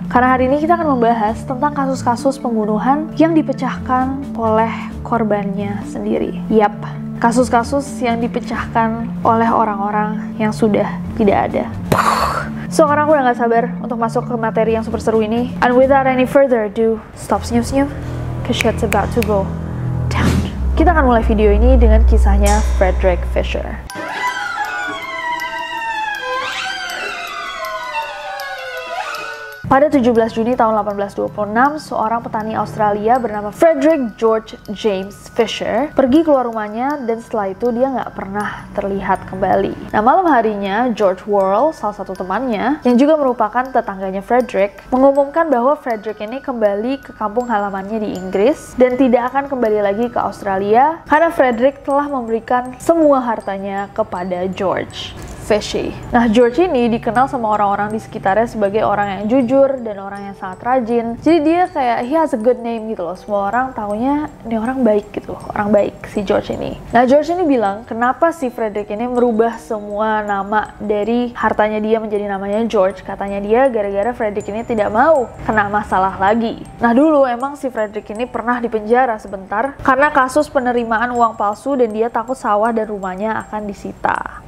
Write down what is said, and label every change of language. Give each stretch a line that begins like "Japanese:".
Indonesian: Karena hari ini kita akan membahas tentang kasus-kasus pembunuhan yang dipecahkan oleh korbannya sendiri. Yap, kasus-kasus yang dipecahkan oleh orang-orang yang sudah tidak ada. Sekarang aku udah gak sabar untuk masuk ke materi yang super seru ini.
English: And without any further ado, stop snoop-snoop, cause shit's about to go down.
Indonesian: Kita akan mulai video ini dengan kisahnya Frederick Fisher. Pada 17 Juni tahun 1826, seorang petani Australia bernama Frederick George James Fisher pergi keluar rumahnya dan setelah itu dia nggak pernah terlihat kembali. Nah, malam harinya, George Worrell, salah satu temannya, yang juga merupakan tetangganya Frederick, mengumumkan bahwa Frederick ini kembali ke kampung halamannya di Inggris dan tidak akan kembali lagi ke Australia karena Frederick telah memberikan semua hartanya kepada George. Fishy. Nah, George ini dikenal sama orang-orang di sekitarnya sebagai orang yang jujur dan orang yang sangat rajin. Jadi dia kayak,
English: he has a good name
Indonesian: gitu loh. Semua orang taunya ini orang baik gitu, orang baik si George ini. Nah, George ini bilang, kenapa si Frederick ini merubah semua nama dari hartanya dia menjadi namanya George? Katanya dia gara-gara Frederick ini tidak mau kena masalah lagi. Nah, dulu emang si Frederick ini pernah dipenjara sebentar karena kasus penerimaan uang palsu dan dia takut sawah dan rumahnya akan disita.